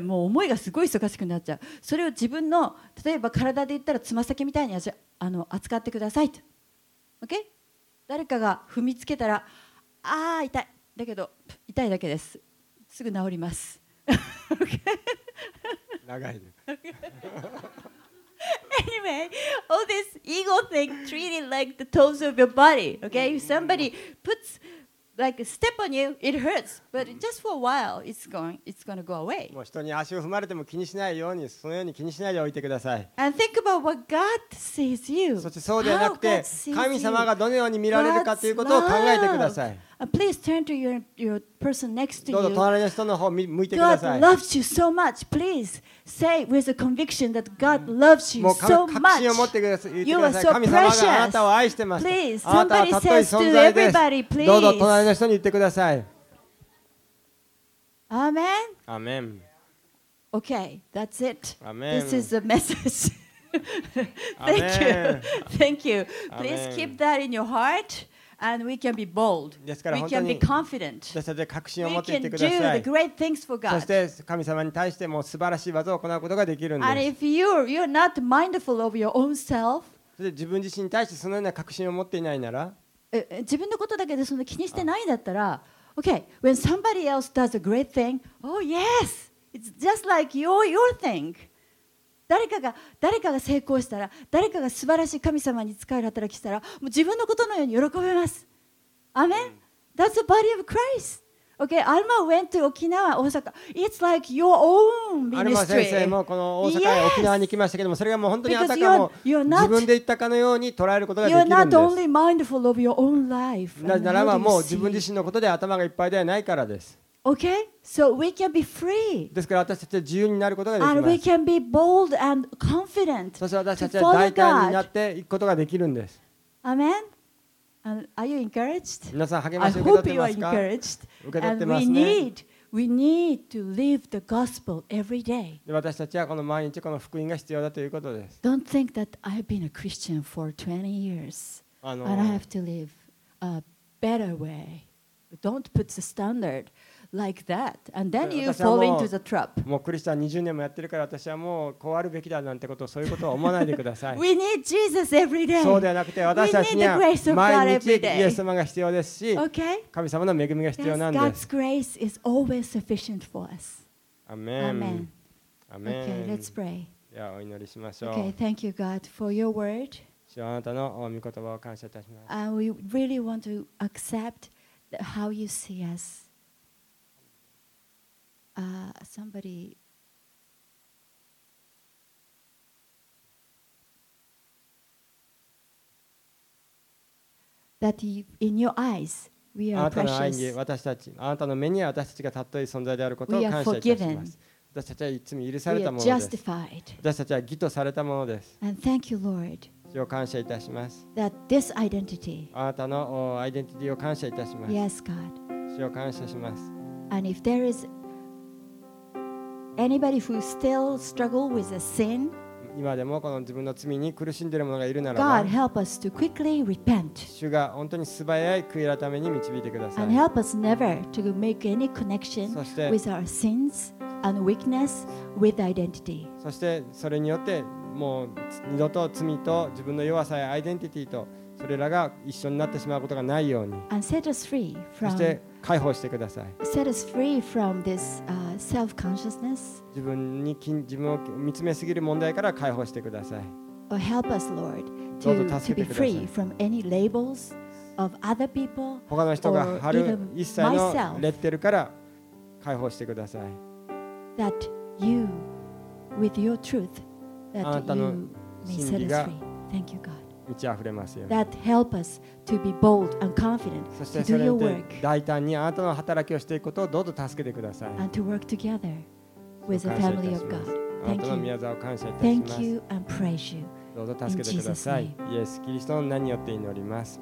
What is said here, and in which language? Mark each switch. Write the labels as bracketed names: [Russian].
[Japanese] もう思いがすごい忙しくなっちゃう。それを自分の例えば体で言ったらつま先みたいに扱ってくださいと、OK? 誰かが踏みつけたら、あー痛い。だけど痛いだけです。すぐ治ります。長いね。 [English] Anyway, all this ego thing treated like the toes of your body. Okay, if somebody puts like a step on you, it hurts. But just for a while, it's gonna go away. [Japanese] もう人に足を踏まれても気にしないようにそのように気にしないでおいてください。 [English] And think about what God sees you. [Japanese] そしてそうではなくて神様がどのように見られるかということを考えてください。 [English] Please turn to your person next to [Japanese] you. どうぞ隣の人の方を向いてください。 [English] God loves you so much. Please say with a conviction that God loves you so much. [Japanese] もう確信を持ってください。言ってください。神様があなたを愛してます。 [English] Please, somebody says to everybody, please. [Japanese] どうぞ隣の人に言ってください。 [English] Amen. Amen. Okay, that's it. Amen. This is the message. Thank you. Thank you. Please keep that in your heart. And we can be bold. We can be confident. We can do the great things for God. [Japanese] そして神様に対しても素晴らしい技を行うことができるんです。 [English] And if you're not mindful of your own self, [Japanese] 自分自身に対してそのような確信を持っていないなら、自分のことだけでそんな気にしてないんだったら、 [English] okay, when somebody else does a great thing, oh yes, it's just like your thing. [Japanese] 誰かが成功したら、誰かが素晴らしい神様に仕える働きしたら、もう自分のことのように喜べます。 [English] アメン。That's the body of Christ. Okay, Alma went to Okinawa, Osaka. It's like your own ministry. [Japanese] アルマ先生もこの大阪や沖縄に来ましたけども、それがもう本当にあたかも自分で言ったかのように捉えることができるんです。 [English] You're not only mindful of your own life. [Japanese] なぜならばもう自分自身のことで頭がいっぱいではないからです。 [English] Okay, so we can be free. [Japanese] ですから私たちは自由になることができます。 [English] And we can be bold and confident. [Japanese] そして私たちは大胆になっていくことができるんです。 [English] Amen. And are you encouraged? [Japanese] 皆さん励ましを受け取ってますか？ [English] I hope you are encouraged. [Japanese] 受け取ってますね。 [English] And we need to live the gospel every day. [Japanese] で私たちはこの毎日この福音が必要だということです。 [English] Don't think that I've been a Christian for 20 years and I have to live a better way. Don't put the standard. Like that, and then you fall into the trap. [Japanese] もうクリスチャン20年もやってるから私はもうこうあるべきだなんてことそういうことは思わないでください。 [English] We need Jesus every day. [Japanese] そうではなくて私たちには毎日イエス様が必要ですし、 [English] okay? [Japanese] 神様の恵みが必要なんです。 [English] God's grace is always sufficient for us. Amen. Amen. Okay, let's pray. [Japanese] ではお祈りしましょう。 [English] Okay, thank you, God, for your word. [Japanese] 主はあなたの御言葉を感謝いたします。 [English] And we really want to accept how you see us. Somebody that in your eyes we are precious. [Japanese] あなたの愛に私たち、あなたの目に私たちがたっとい存在であることを感謝いたします。私たちは罪許されたものです。 [English] We are justified. [Japanese] 私たちは義とされたものです。 [English] And thank you, Lord. [Japanese] 主を感謝いたします。 [English] That this identity. [Japanese] あなたのアイデンティティを感謝いたします。 [English] Yes, God. [Japanese] 主を感謝します。 [English] And if there isAnybody who still struggle with a sin, [Japanese] 今でもこの自分の罪に苦しんでいる者がいるならば、 [English] God help us to quickly repent. [Japanese] 主が本当に素早い悔い改めに導いてください。 [English] And help us never to make any connection with our sins and weakness with identity. [Japanese] そしてそれによってもう二度と罪と自分の弱さやアイデンティティとそれらが一緒になってしまうことがないように。 [English] And set us free from. [Japanese] そして解放してください。 [English] Set us free from this. Self-consciousness. [Japanese] 自分を見つめすぎる問題から解放してください。 [English] Or help us, Lord, to be free from any labels of other people. [Japanese] 他の人が貼る一切のレッテルから解放してください。 [English] That you, with your truth, that you may set us free. Thank you, God. [Japanese] 満ち溢れますよ。 [English] That help us to be bold and confident to do your work. [Japanese] 大胆にあなたの働きをしていくことをどうぞ助けてください。 [English] And to work together with the family of God. Thank you. [Japanese] あなたの宮沢を感謝いた [English] します。Thank you and praise you. [Japanese] どうぞ助けてください。イエス・キリストの名によって祈ります。